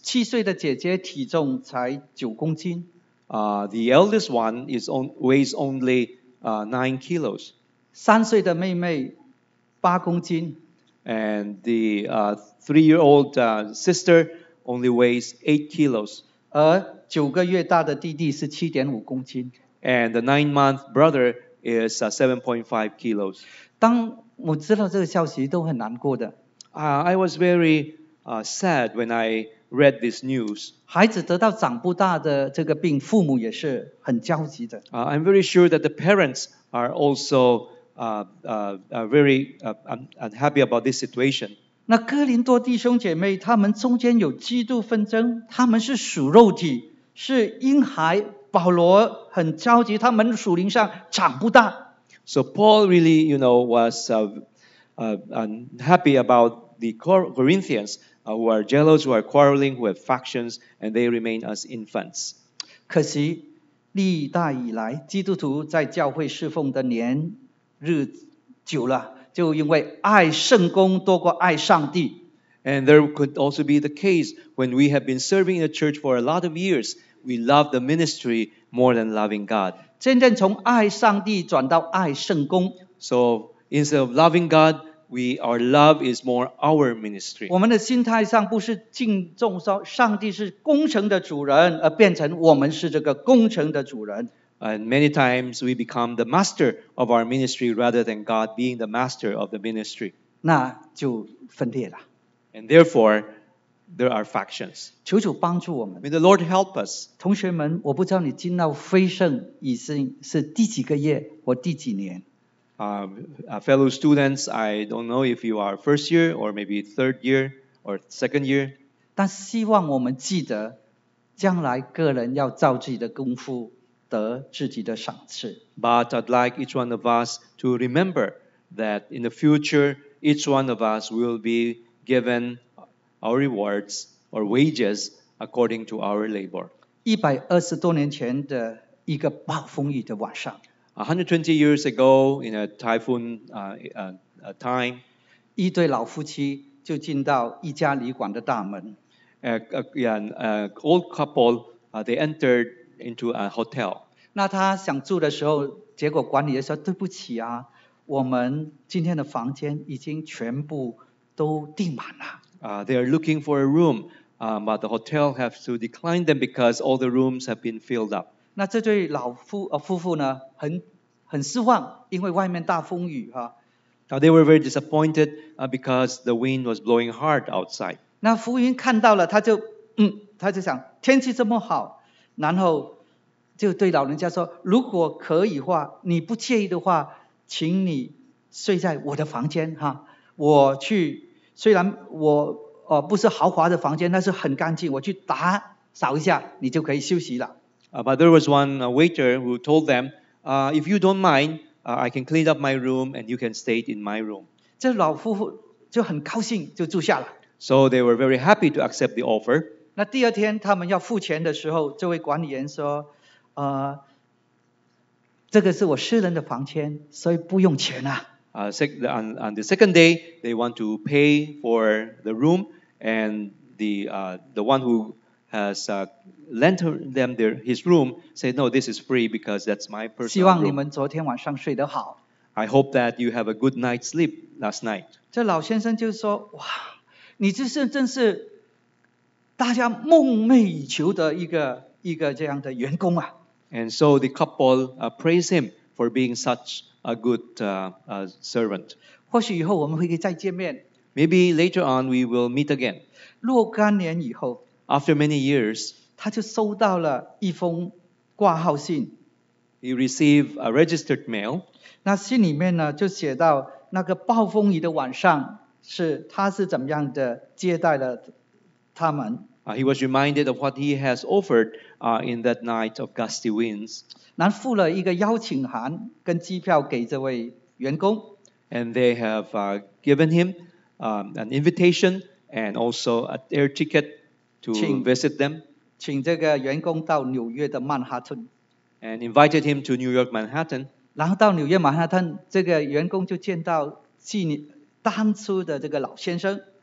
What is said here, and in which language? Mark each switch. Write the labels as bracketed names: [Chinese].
[Chinese] 七岁的姐姐体重才九公斤。 [English] The eldest one is weighs only 9 kilos. [Chinese] 三岁的妹妹八公斤。 [English] And the three-year-old sister only weighs 8 kilos. [Chinese] 而九个月大的弟弟是 7.5 公斤。 [English] And the nine-month brother is 7.5 kilos. [Chinese] 当我知道这个消息都很难过的。 [English] I was very sad when I read this news. [Chinese] 孩子得到长不大的这个病，父母也是很焦急的。 [English] I'm very sure that the parents are also very unhappy about this situation. [Chinese] 那哥林多弟兄姐妹，他们中间有嫉妒纷争，他们是属肉体，是婴孩。保罗很焦急，他们属灵上长不大。 [English] So Paul really, you know, was unhappy about the Corinthians, who are jealous, who are quarreling, who have factions, and they remain as infants. [Chinese] 可惜，历代以来基督徒在教会侍奉的年日久了，就因为爱圣工多过爱上帝。 [English] And there could also be the case when we have been serving in the church for a lot of years, we love the ministry more than loving God. [Chinese] 渐渐从爱上帝转到爱圣工。 [English] So instead of loving God, our love is more our ministry. [Chinese] 我们的心态上不是敬重上帝是工程的主人，而变成我们是这个工程的主人。 [English] And many times we become the master of our ministry rather than God being the master of the ministry. [Chinese] 那就分裂了。 [English] And therefore, there are factions. [Chinese] 求主帮助我们。 [English] May the Lord help us. [Chinese] 同学们，我不知道你进到飞圣已经是第几个月或第几年。 [English] Fellow students, I don't know if you are first year or maybe third year or second year. [Chinese] 但希望我们记得，将来个人要照自己的功夫。 [English] But I'd like each one of us to remember that in the future, each one of us will be given our rewards or wages according to our labor. [Chinese] 120多年前的一个暴风雨的晚上, [English] 120 years ago in a typhoon time, [Chinese] 一对老夫妻就进到一家旅馆的大门。 [English] Old couple, they entered into a hotel. [Chinese] 那他想住的时候，结果管理员说：“对不起啊，我们今天的房间已经全部都订满了。” [English] They are looking for a room, but the hotel have to decline them because all the rooms have been filled up. [Chinese] 那这对老夫夫妇呢，很失望，因为外面大风雨哈。 [English] They were very disappointed because the wind was blowing hard outside. [Chinese] 那服务员看到了，他就想天气这么好，然后就对老人家说：“如果可以的话，你不介意的话，请你睡在我的房间哈。我去，虽然我不是豪华的房间，但是很干净，我去打扫一下，你就可以休息了。” [English] But there was one waiter who told them, "If you don't mind." I can clean up my room and you can stay in my room. [Chinese] 这老夫妇就很高兴就住下了。 [English] So they were very happy to accept the offer. [Chinese] 那第二天他们要付钱的时候，这位管理员说，这个是我私人的房间，所以不用钱啊。 [English] On the second day, they want to pay for the room and the one who has lent them his room, say, "No, this is free because that's my personal room." [Chinese] 希望你们昨天晚上睡得好。 [English] I hope that you have a good night's sleep last night. [Chinese] 这老先生就说，哇，你这是真是大家梦寐以求的一个这样的员工啊。 [English] And so the couple praise him for being such a good servant. [Chinese] 或许以后我们会再见面。 [English] Maybe later on we will meet again. [Chinese] 若干年以后。 [English] After many years, [Chinese] 他就收到了一封挂号信。 [English] He received a registered mail. [Chinese] 那信里面呢，就写到那个暴风雨的晚上，他是怎么样的接待了他们。 [English] He was reminded of what he has offered in that night of gusty winds. [Chinese] 然后付了一个邀请函跟机票给这位员工。 [English] And they have given him an invitation and also an air ticket. To visit them, [Chinese] 请这个员工到纽约的曼哈顿 [English] and invited him to New York Manhattan. [Chinese] 然后到纽约曼哈顿，这个员工就见到当初的这个老先生